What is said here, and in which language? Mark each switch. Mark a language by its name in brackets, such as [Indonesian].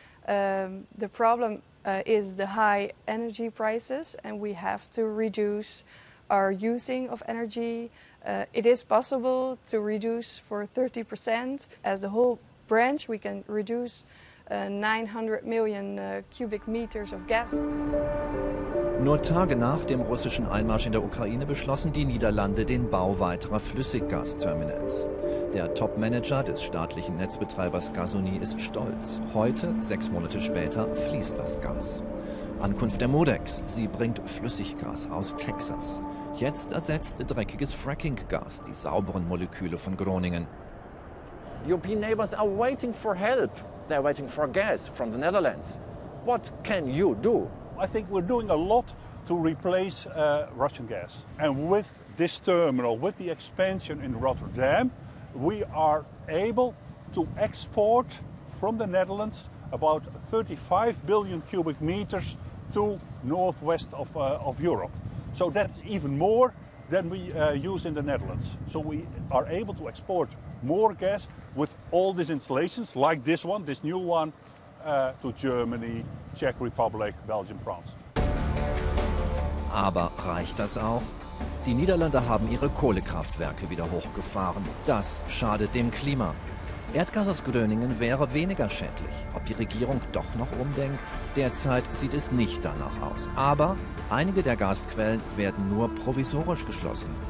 [English] The problem is the high energy prices and we have to reduce our using of energy. It is possible to reduce for 30% as the whole branch we can reduce 900 million cubic meters of gas. [German] Nur Tage nach dem russischen Einmarsch in der Ukraine beschlossen die Niederlande den Bau weiterer Flüssiggasterminals. Der Topmanager des staatlichen Netzbetreibers Gasunie ist stolz. Heute, 6 Monate später, fließt das Gas. Ankunft der Modex. Sie bringt Flüssiggas aus Texas. Jetzt ersetzt dreckiges Fracking-Gas die sauberen Moleküle von Groningen. [English] European neighbors are waiting for help. They're waiting for gas from the Netherlands. What can you do? I think we're doing a lot to replace Russian gas. And with this terminal, with the expansion in Rotterdam, we are able to export from the Netherlands about 35 billion cubic meters to northwest of Europe. So that's even more than we use in the Netherlands. So we are able to export more gas with all these installations, like this one, this new one, to Germany, Czech Republic, Belgium, France. [German] Aber reicht das auch? Die Niederlande haben ihre Kohlekraftwerke wieder hochgefahren. Das schadet dem Klima. Erdgas aus Groningen wäre weniger schädlich. Ob die Regierung doch noch umdenkt? Derzeit sieht es nicht danach aus. Aber einige der Gasquellen werden nur provisorisch geschlossen.